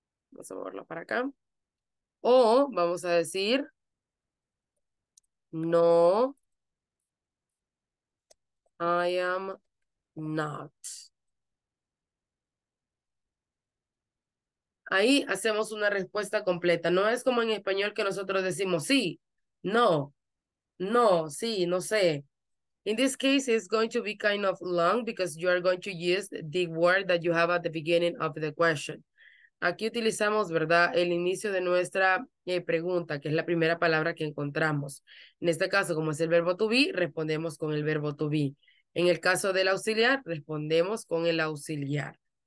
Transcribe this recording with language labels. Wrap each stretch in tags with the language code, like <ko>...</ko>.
<es>Vamos a moverlo para acá. O vamos a decir, no,</es> <en>I am not.</en> <es>Ahí hacemos una respuesta completa. No es como en español que nosotros decimos sí, no, no, sí, no sé.</es> <en>In this case, it's going to be kind of long because you are going to use the word that you have at the beginning of the question.</en> <es>Aquí utilizamos, ¿verdad?, el inicio de nuestra pregunta, que es la primera palabra que encontramos. En este caso, como es el verbo to be, respondemos con el verbo to be. En el caso del auxiliar, respondemos con el auxiliar.</es>